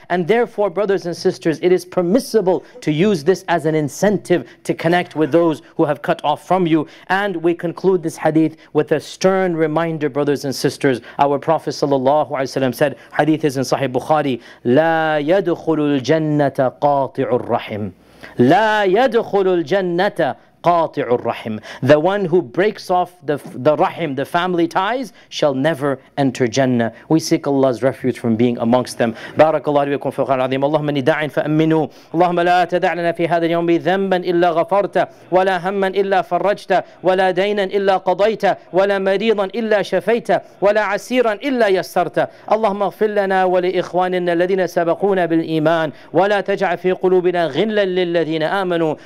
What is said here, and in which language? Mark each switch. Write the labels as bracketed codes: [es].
[en] And therefore, brothers and sisters, it is permissible to use this as an incentive to connect with those who have cut off from you. And we conclude this hadith with a stern reminder, brothers and sisters. Our Prophet sallallahu alaihi wasallam said, hadith is in Sahih Bukhari, [ar] لا يدخل الجنة قاطع الرحم. لا يدخل الجنة قاطع الرحم. [en] The one who breaks off the rahim, the family ties, shall never enter Jannah. We seek Allah's refuge from being amongst them. [ar] بارك الله فيكم في القرآن العظيم. اللهم نداع فأمنوا. اللهم لا تدع لنا في هذا اليوم ذنبا إلا غفرته ولا هما إلا فرجت ولا دينا إلا قضيت ولا مريضا إلا شفيت ولا عسيرا إلا يسرت. اللهم اغفر لنا ولإخواننا الذين سبقونا بالإيمان ولا تجعل في قلوبنا غلا للذين آمنوا.